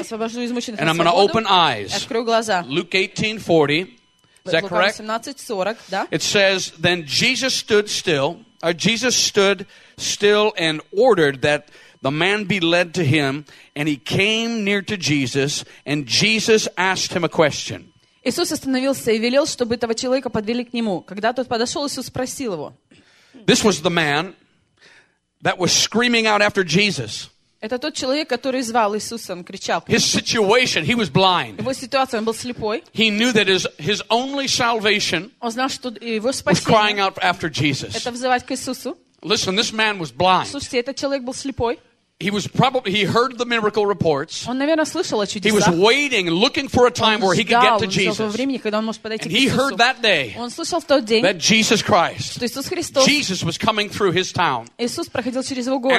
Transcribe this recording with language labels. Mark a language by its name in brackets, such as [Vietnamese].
[English] And I'm going to open eyes. Luke 18:40. Is that correct? It says, then Jesus stood still. Jesus stood still and ordered that the man be led to him, and he came near to Jesus, and Jesus asked him a question. [Russian] Иисус остановился и велел, чтобы этого человека подвели к нему. Когда тот подошел, Иисус спросил его. [English] This was the man that was screaming out after Jesus. [Russian] Это тот человек, который звал Иисуса, он кричал. [English] His situation, he was blind. [Russian] Его ситуация, он был слепой. [English] He knew that his only salvation [Russian] он знал, что его спасение [English] was crying out after Jesus. [Russian] Это взывать к Иисусу. [English] Listen, this man was blind. [Russian] Слушайте, этот человек был слепой. [English] He heard the miracle reports. [Russian] Он, наверное, слышал о чудесах. [English] He was waiting, looking for a time where he could get to Jesus. [Russian] Времени, когда он мог подойти [English] and [Russian] к Иисусу. [English] He heard that day. [Russian] Он слышал в тот день. [English] That Jesus Christ. [Russian] Что Иисус Христос. [English] Jesus was coming through his town. [Russian] Иисус проходил через его город.